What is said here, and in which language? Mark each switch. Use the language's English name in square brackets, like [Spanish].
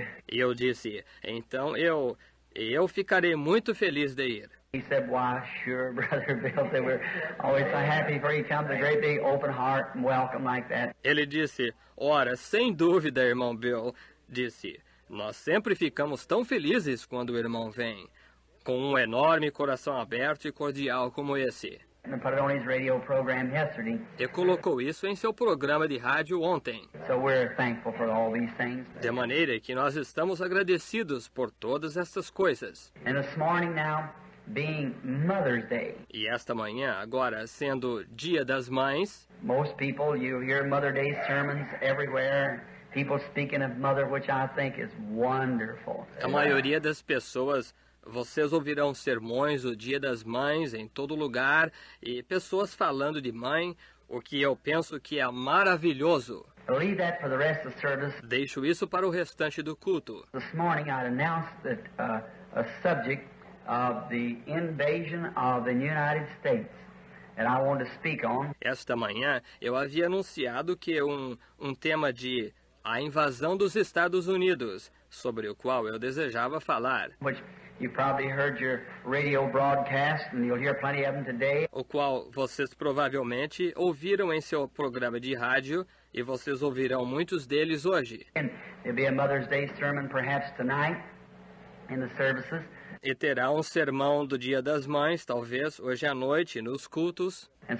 [Portuguese] E eu disse, então eu ficarei muito feliz de ir. [English] He said, "Why, sure, Brother Bill. They were always so happy for you to come. The great big open heart and welcome like that." [Portuguese] Ele disse, "Ora, sem dúvida, irmão Bill. Disse, nós sempre ficamos tão felizes quando o irmão vem, com um enorme coração aberto e cordial como esse." [English] And put it on his radio program yesterday. [Portuguese] E colocou isso em seu programa de rádio ontem. [English] So we're thankful for all these things. [Portuguese] De maneira que nós estamos agradecidos por todas estas coisas. [English] And this morning now. Being Mother's Day. [Portuguese] E esta manhã, agora sendo Dia das Mães. [English] Most people, you hear Mother's Day sermons everywhere. People speaking of mother, which I think is wonderful. [Portuguese] A maioria das pessoas, vocês ouvirão sermões o Dia das Mães em todo lugar e pessoas falando de mãe, o que eu penso que é maravilhoso. [English] Leave that for the rest of the service. [Portuguese] Deixo isso para o restante do culto. [English] This morning I announced that a subject of the invasion of the United States that I want to speak on. [Portuguese] Esta manhã eu havia anunciado que um tema de a invasão dos Estados Unidos, sobre o qual eu desejava falar. [English] Which you probably heard your radio broadcast and you'll hear plenty of them today. [Portuguese] O qual vocês provavelmente ouviram em seu programa de rádio e vocês ouvirão muitos deles hoje. [English] And there'll be a Mother's Day sermon perhaps tonight in the services. [Portuguese] E terá um sermão do Dia das Mães, talvez, hoje à noite, nos cultos.